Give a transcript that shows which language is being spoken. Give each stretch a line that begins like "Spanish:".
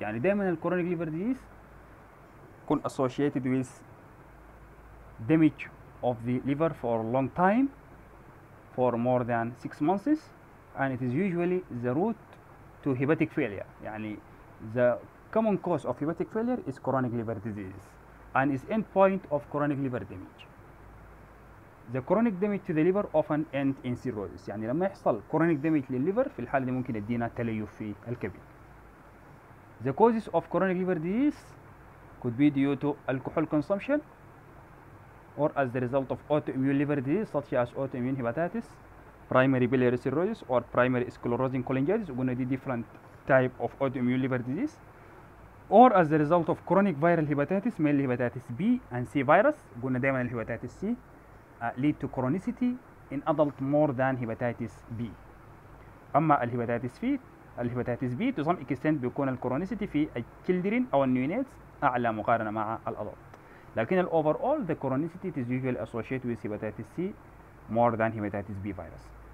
Arabic: يعني دائما
English: الكرونيك ليفر ديزيز يكون associated with damage of the liver for a long time, for more than 6 months, and it is usually the root to hepatic failure. يعني the common cause of hepatic failure is chronic liver disease and is end point of chronic liver damage. The chronic damage to the liver often end in cirrhosis.
Arabic: يعني لما يحصل
English: chronic damage
Arabic: للليفر في الحالة دي ممكن يدينا تليف في الكبد.
English: The causes of chronic liver disease could be due to alcohol consumption or as the result of autoimmune liver disease such as autoimmune hepatitis, primary biliary cirrhosis or primary sclerosing cholangitis. We're going to do different type of autoimmune liver disease. Or as the result of chronic viral hepatitis, mainly hepatitis B and C virus. We're going to
Arabic: دايما
English: الهباتيتس C. Lead to chronicity in adult more than hepatitis B.
Arabic: أما
English: الهباتيتس في الهباتيتس B to some extent بيكون الكرونيسيتي في الكيلدرين أو النيونيتس أعلى مقارنة مع الأدلت. لكن الـ overall the chronicity is usually associated with hepatitis C more than hepatitis B virus.